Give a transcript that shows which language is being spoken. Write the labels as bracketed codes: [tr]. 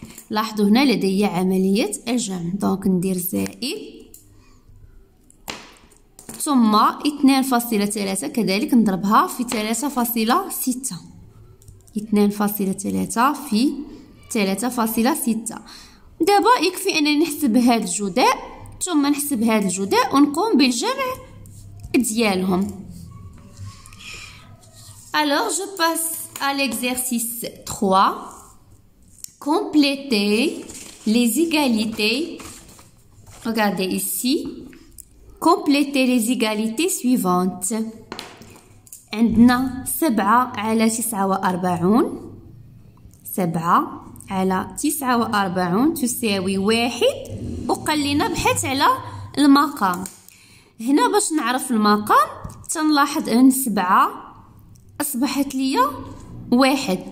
[ar] لاحظوا هنا لدي عملية الجمع، دونك ندير زائد ثم 2.3 كذلك نضربها في 3.6. 2.3 في 3.6. دابا يكفي أنني نحسب هذا الجداء ثم نحسب هذا الجداء ونقوم بالجمع ديالهم. [fr] Alors je passe à l'exercice 3. Complétez les égalités. Regardez ici. Complétez les égalités suivantes. [ar] عندنا 7 على 49. 7 على 49 تساوي 1 وقلينا بحيث على المقام. هنا باش نعرف المقام تنلاحظ ان 7 اصبحت لي 1.